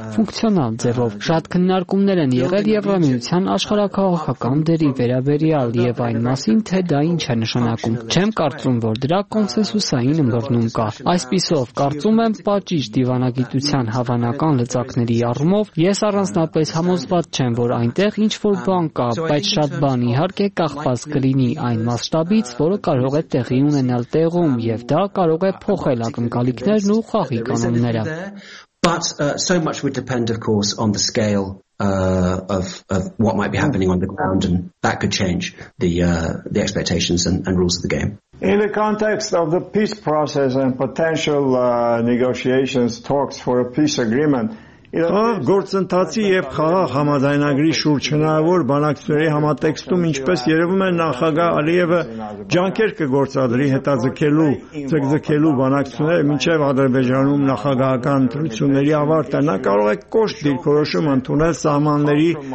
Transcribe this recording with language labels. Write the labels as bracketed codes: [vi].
[hy] ֆունկցիոնալ ձևով։ Շատ քննարկումներ են եղել Եվրամիության աշխարհակաղակական դերի վերաբերյալ եւ այն մասին, թե դա ինչ է նշանակում։ Չեմ կարծում, որ դրա կոնսենսուսային ըմբռնում կա։ Այսպիսով, կարծում եմ, պատճիճ դիվանագիտության հավանական լծակների առումով ես առանձնապես համոզված չեմ, որ այնտեղ ինչ-որ բան կա, բայց շատ բան իհարկե կախված կլինի այն մասշտաբից, որը կարող է տեղի ունենալ տեղում, եւ դա կարող է փոխել ակնկալիքներն ու խաղի կանոնները։ [en] But so much would depend, of course, on the scale of what might be happening on the ground, and that could change the expectations and rules of the game. In the context of the peace process and potential negotiations, talks for a peace agreement, [hy] Քաղաք գործընթացի եւ քաղաք համաձայնագրի շուրջ հնարավոր բանակցությունների համատեքստում, ինչպես երևում է, նախագահ Ալիևը ջանքեր կգործադրի հետաձգելու, ձգձգելու բանակցությունները մինչեւ Ադրբեջանում նախագահական ընտրությունների ավարտը։ Նա կարող է կոշտ դիրքորոշում ընդունել սահմանների